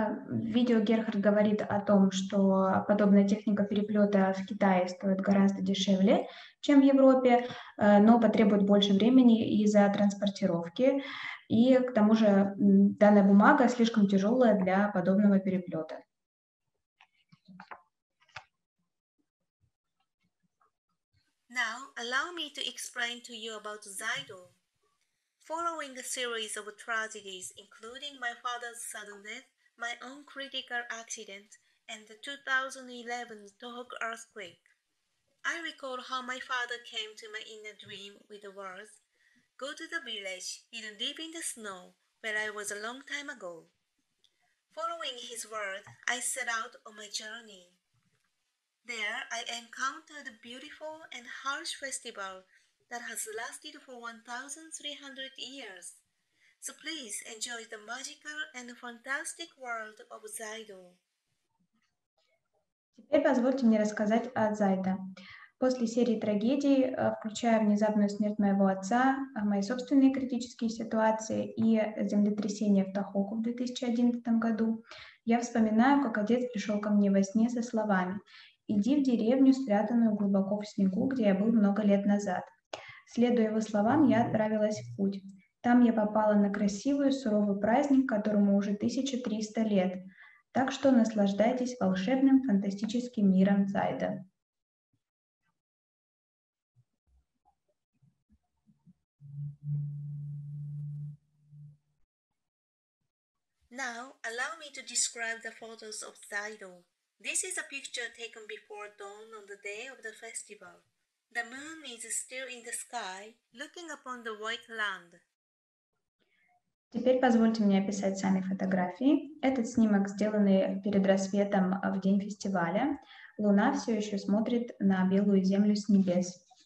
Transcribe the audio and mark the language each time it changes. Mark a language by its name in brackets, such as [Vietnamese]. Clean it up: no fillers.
[Russian] Видео Герхард говорит о том, что подобная техника переплета в Китае стоит гораздо дешевле, чем в Европе, но потребует больше времени из-за транспортировки. И к тому же данная бумага слишком тяжелая для подобного переплета. [English] Now, allow me to explain to you about Zaido. Following a series of tragedies, including my father's sudden death, my own critical accident, and the 2011 Tohoku earthquake, I recall how my father came to my inner dream with the words, "Go to the village, hidden deep in the snow, where I was a long time ago." Following his word, I set out on my journey. There, I encountered a beautiful and harsh festival that has lasted for 1,300 years. So please enjoy the magical and fantastic world of Zaido. [Russian] Теперь позвольте мне рассказать о Зайдо. После серии трагедий, включая внезапную смерть моего отца, мои собственные критические ситуации и землетрясение в Тохоку в 2011 году, я вспоминаю, как отец пришел ко мне во сне со словами «Иди в деревню, спрятанную глубоко в снегу, где я был много лет назад». Следуя его словам, я отправилась в путь. Там я попала на красивый суровый праздник, которому уже 1300 лет. Так что наслаждайтесь волшебным фантастическим миром Зайдо. [English] Now, allow me to describe the photos of Zaido. This is a picture taken before dawn on the day of the festival. The moon is still in the sky, looking upon the white land. [Russian] Теперь позвольте мне описать сами фотографии. Этот снимок, сделанный перед рассветом в день фестиваля. Луна все еще смотрит на белую землю с небес.